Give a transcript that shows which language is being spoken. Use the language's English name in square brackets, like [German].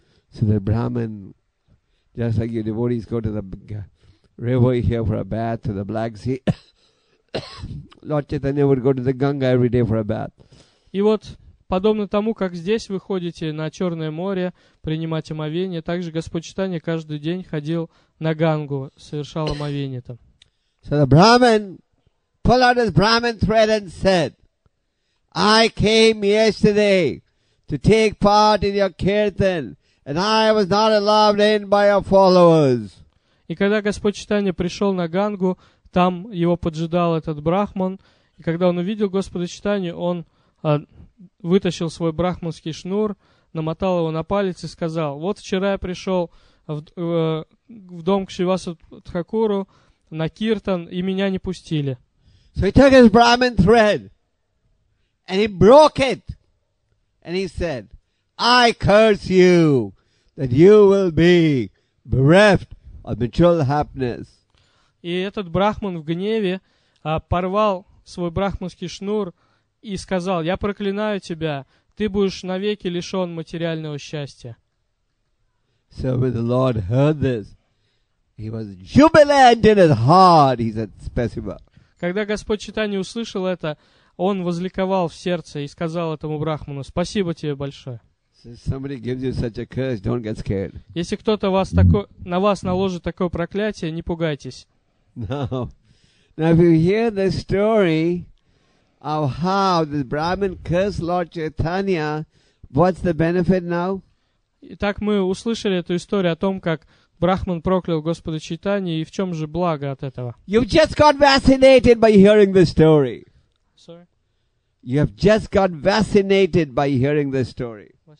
[English] So the Brahmin, just like your devotees go to the river here for a bath, to the Black Sea, Lord Chaitanya would go to the Ganga every day for a bath. [Russian] И вот, подобно тому, как здесь вы ходите на Черное море принимать омовение, также Господь Чайтанья каждый день ходил на Гангу, совершал омовение там. [English] So the Brahmin pulled out his Brahmin thread and said, I came yesterday to take part in your kirtan. And I was not allowed in by your followers. [Russian] И когда Господь Чайтанья пришел на Гангу, там его поджидал этот брахман. И когда он увидел Господа Чайтанью, он вытащил свой брахманский шнур, намотал его на палец и сказал, вот вчера я пришел в дом к Шивасу Тхакуру на киртан, и меня не пустили. [English] So he took his Brahmin thread, and he broke it, and he said, I curse you that you will be bereft of material happiness. [Russian] И этот брахман в гневе порвал свой брахманский шнур и сказал: "Я проклинаю тебя, ты будешь навеки лишен материального счастья". [English] So when the Lord heard this, he was jubilant in his heart. He said, [Russian] "Спасибо". Когда Господь Чайтанья услышал это, он возликовал в сердце и сказал этому брахману: "Спасибо тебе большое". [English] If somebody gives you such a curse, don't get scared. [Russian] Если кто-то вас такой на вас наложит такое проклятие, не пугайтесь. [English] Now if you hear the story of how the Brahmin cursed Lord Chaitanya, what's the benefit now? [Russian] Итак, мы услышали эту историю о том, как брахман проклял Господа Чайтанью, и в чем же благо от этого? [English] You've just got fascinated by hearing the story. Sorry. You have just got fascinated by hearing the story.